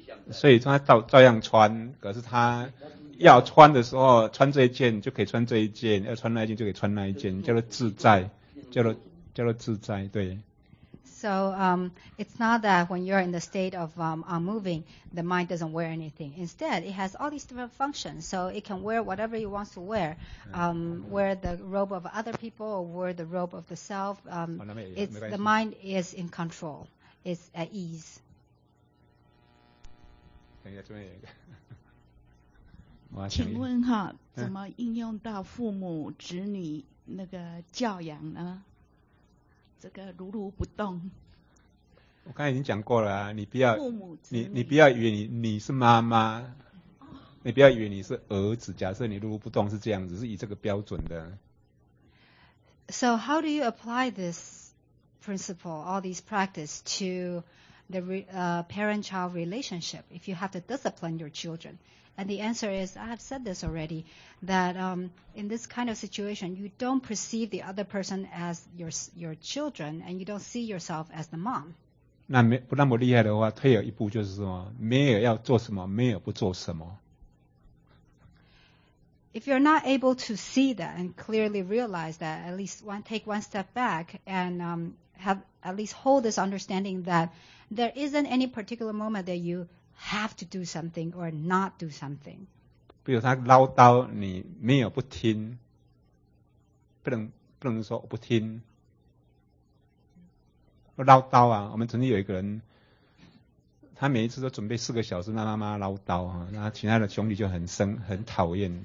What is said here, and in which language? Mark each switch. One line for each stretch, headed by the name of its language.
Chinese: 所以他照样穿，可是他要穿的时候穿这一件就可以穿这一件，要穿那一件就可以穿那一件，叫做自在，叫做自在，对。
English: So it's not that when you're in the state of unmoving, the mind doesn't wear anything. Instead, it has all these different functions. So it can wear whatever it wants to wear, wear the robe of other people or wear the robe of the self. It's the mind is in control. It's at ease.
Chinese: 请问哈，怎么应用到父母、子女、那个教养呢，这个如如不动。我刚才已经讲过了啊，你不要父母子女，你不要以为你是妈妈，你不要以为你是儿子。假设你如如不动是这样子，是以这个标准的。
English: So how do you apply this principle, all these practice to the parent-child relationship? If you have to discipline your children. And the answer is, I have said this already, that in this kind of situation, you don't perceive the other person as your children, and you don't see yourself as the mom.
Chinese: 那没不那么厉害的话，退了一步就是什么？没有要做什么，没有不做什么。
English: If you're not able to see that and clearly realize that, at least take one step back and have at least hold this understanding that there isn't any particular moment that you. Have to do something or not do something.
Chinese: 比如他唠叨你没有不听，不能说我不听。唠叨啊，我们曾经有一个人，他每一次都准备四个小时，让妈妈唠叨啊，那其他的兄弟就很讨厌。